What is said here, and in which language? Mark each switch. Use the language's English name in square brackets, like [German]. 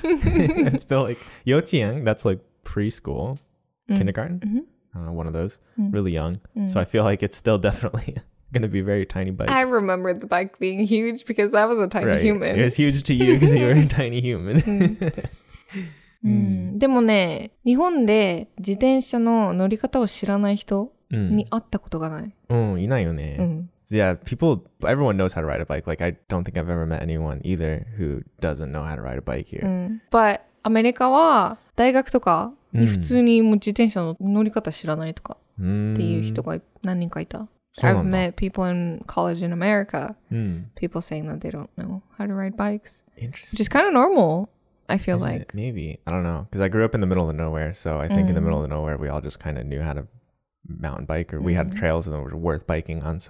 [English] I'm still like, 幼稚園, that's like preschool, kindergarten, mm-hmm. I don't know, one of those, really young. Mm. So I feel like it's still definitely going to be a very tiny bike. I remember the bike being huge because I was a tiny right. human. It was huge to you because you were a tiny human. [Japanese] でもね、日本で自転車の乗り方を知らない人に会ったことがない。うん、いないよね。うん。 [English] Yeah, everyone knows how to ride a bike. Like, I don't think I've ever met anyone either who doesn't know how to ride a bike here. [Japanese] But, アメリカは大学とかに普通にもう自転車の乗り方知らないとかっていう人が何人かいた。 [English] I've met people in college in America, people saying that they don't know how to ride bikes. Interesting. Which is kind of normal. I feel Isn't like. It? Maybe. I don't know. Because I grew up in the middle of nowhere. So I think in the middle of nowhere, we all just kind of knew how to mountain bike. Or we had trails and it was worth biking on.